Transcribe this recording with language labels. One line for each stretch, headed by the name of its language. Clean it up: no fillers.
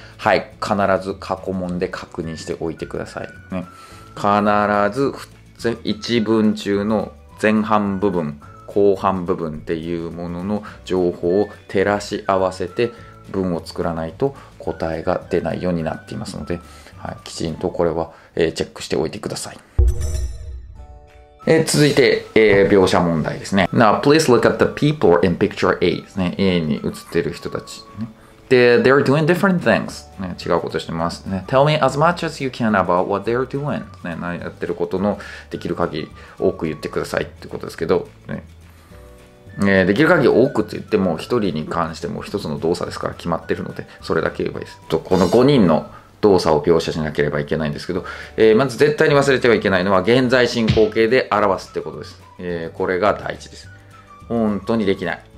Japanese: はい、必ず過去問で確認しておいてください、ね、必ず一文中の前半部分後半部分っていうものの情報を照らし合わせて文を作らないと答えが出ないようになっていますので、はい、きちんとこれは、チェックしておいてください。続いて、描写問題ですね。
English: Now, please look at the people in picture A
Japanese: ですね。 A に写ってる人たち、ね。で、
English: they're doing different things、
Japanese: ね。違うことしてます、ね。
English: Tell me as much as you can about what they're doing、
Japanese: ね。何やってることのできる限り多く言ってくださいってことですけど、ねできる限り多くって言っても、一人に関しても一つの動作ですから決まってるので、それだけ言えばいいです。とこの5人の動作を描写しなければいけないんですけど、まず絶対に忘れてはいけないのは、現在進行形で表すってことです。これが第一です。本当にできない。